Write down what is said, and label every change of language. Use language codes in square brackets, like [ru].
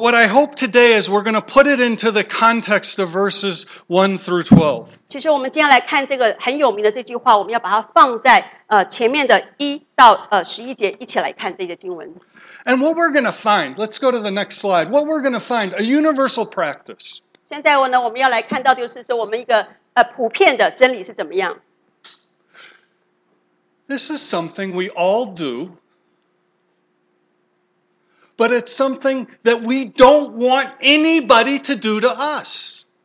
[en] what I hope today is we're going to put it into the context of verses 1 through 12. [zh] 其实我们今天来看这个很有名的这句话，我们要把它放在前面的1到11节一起来看这个经文。 [en] And what we're going to find, let's go to the next slide. What we're going to find, a universal practice. [zh] 现在呢，我们要来看到就是说我们一个普遍的真理是怎么样。 [en] This is something we all do, but it's something that we don't want anybody to do to us.